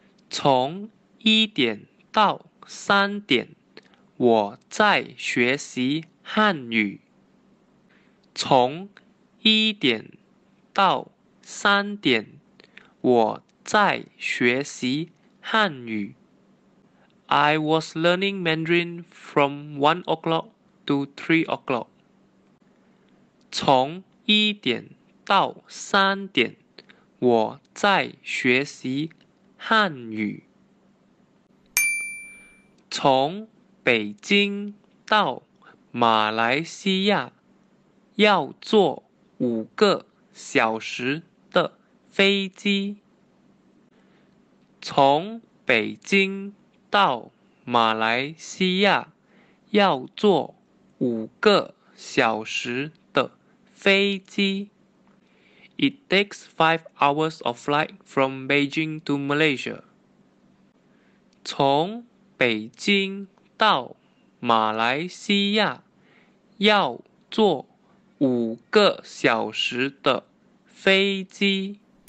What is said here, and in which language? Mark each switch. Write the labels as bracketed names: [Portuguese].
[Chinese] 从一点到三点，我在学习汉语。从一点到三点，我在学习汉语。 [English] I was learning Mandarin from 1 o'clock to 3 o'clock. [Chinese] 从一点到三点，我在学习汉语。从北京到马来西亚要坐5个小时的飞机。从北京到马来西亚要坐5个小时的飞机。 [English] It takes 5 hours of flight from Beijing to Malaysia. [Chinese] 从北京到马来西亚要坐5个小时的飞机。